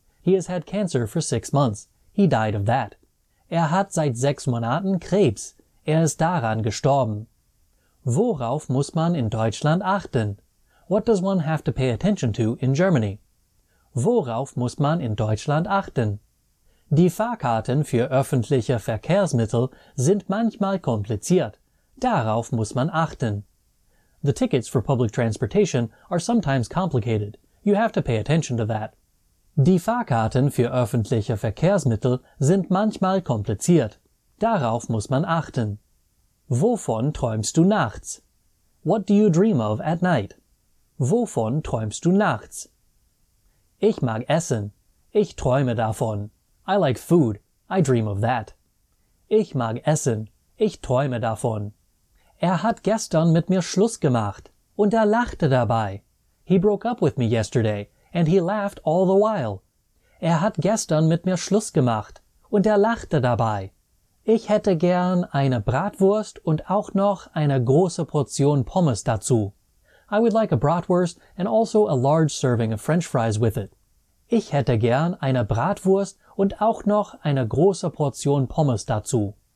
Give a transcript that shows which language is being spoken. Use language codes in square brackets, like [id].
[en] He has had cancer for 6 months. He died of that. [de] Er hat seit 6 Monaten Krebs. Er ist daran gestorben. Worauf muss man in Deutschland achten? [en] What does one have to pay attention to in Germany? [de] Worauf muss man in Deutschland achten? Die Fahrkarten für öffentliche Verkehrsmittel sind manchmal kompliziert. Darauf muss man achten. [en] The tickets for public transportation are sometimes complicated. You have to pay attention to that. [de] Die Fahrkarten für öffentliche Verkehrsmittel sind manchmal kompliziert. Darauf muss man achten. Wovon träumst du nachts? [en] What do you dream of at night? [de] Wovon träumst du nachts? Ich mag Essen. Ich träume davon. [en] I like food. I dream of that. [de] Ich mag Essen. Ich träume davon. Er hat gestern mit mir Schluss gemacht. Und er lachte dabei. [en] He broke up with me yesterday. And he laughed all the while. [de] Er hat gestern mit mir Schluss gemacht. Und er lachte dabei. Ich hätte gern eine Bratwurst und auch noch eine große Portion Pommes dazu. [en] I would like a bratwurst and also a large serving of French fries with it. [de] Ich hätte gern eine Bratwurst und auch noch eine große Portion Pommes dazu.